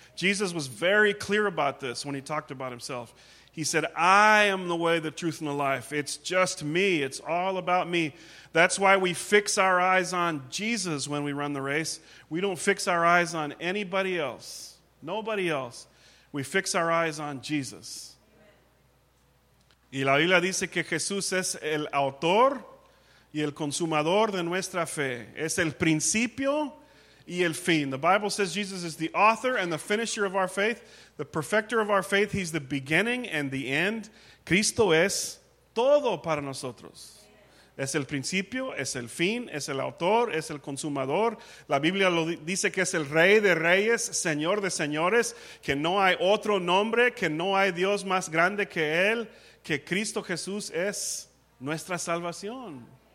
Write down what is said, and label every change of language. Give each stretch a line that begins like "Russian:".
English: Jesus was very clear about this when he talked about himself. He said, I am the way, the truth, and the life. It's just me. It's all about me. That's why we fix our eyes on Jesus when we run the race. We don't fix our eyes on anybody else. Nobody else. We fix our eyes on Jesus.
Spanish: Y la Biblia dice que Jesús es el autor y el consumador de nuestra fe. Es el principio y el fin.
English: The Bible says Jesus is the author and the finisher of our faith. The perfecter of our faith, he's the beginning and the end.
Spanish: Cristo es todo para nosotros. Es el principio, es el fin, es el autor, es el consumador. La Biblia lo dice que es el rey de reyes, señor de señores, que no hay otro nombre, que no hay Dios más grande que él, que Cristo Jesús es nuestra salvación.